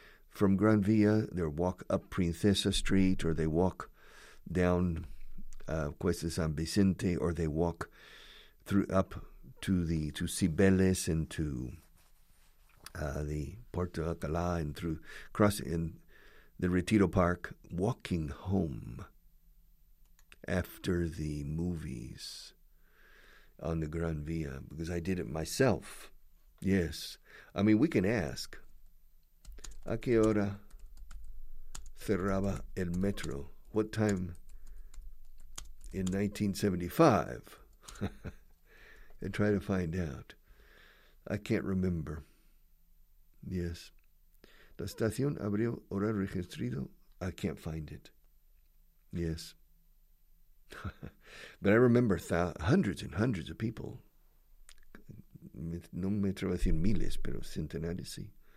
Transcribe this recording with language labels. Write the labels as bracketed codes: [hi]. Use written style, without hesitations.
[en] From Gran Vía, they walk up Princesa Street, or they walk down Cuesta San Vicente, or they walk through up to Cibeles and to the Puerto Alcalá and through crossing in the Retiro Park, walking home after the movies on the Gran Vía, because I did it myself. Yes. I mean, we can ask, [es] ¿a qué hora cerraba el metro? [en] What time in 1975? And try to find out. I can't remember. Yes. [es] La estación abrió hora registrado. [en] I can't find it. Yes. But I remember hundreds and hundreds of people. [es] No me atrevo a decir miles, pero centenares, sí.